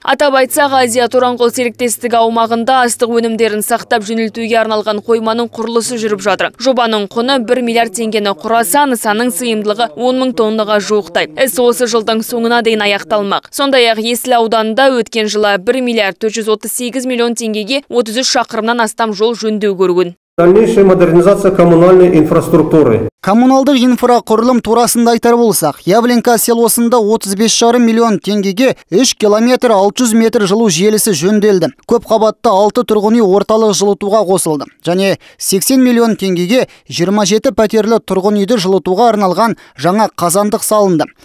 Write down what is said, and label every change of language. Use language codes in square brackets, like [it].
[kk] Атап айтсақ, Азия Тұранқол серіктестігі аумағында астық өнімдерін сақтап жөнелтуге арналған қойманың құрылысы жүріп жатыр. Жобаның құны 1 миллиард теңгені құраса, нысанның сыйымдылығы 10 мың тоннаға жуықтай. Іс осы жылдың соңына дейін аяқталмақ. Сондай-ақ Есіл ауданында өткен жылы 1 миллиард 438 миллион теңгеге 33 шақырымнан астам жол жөндеу көрген. [ru] Дальнейшая модернизация коммунальной инфраструктуры. [kk] Коммуналдық инфрақұрылым турасында айтар болсақ, Явленка селосында 35,5 миллион теңгеге 3 километр 600 метр жылу желісі жөнделді. Көп қабатты 6 тұрғын үй орталық жылытуға қосылды. Және 80 миллион теңгеге 27 пәтерлі тұрғын үйді жылытуға арналған жаңа қазандық салынды.